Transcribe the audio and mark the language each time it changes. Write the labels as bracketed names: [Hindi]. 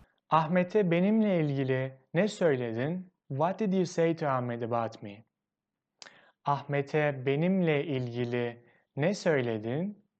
[Turkish] Ahmet'e benimle ilgili ne söyledin? [English] What did you say to Ahmet about me? [Turkish] Ahmet'e benimle ilgili ne söyledin?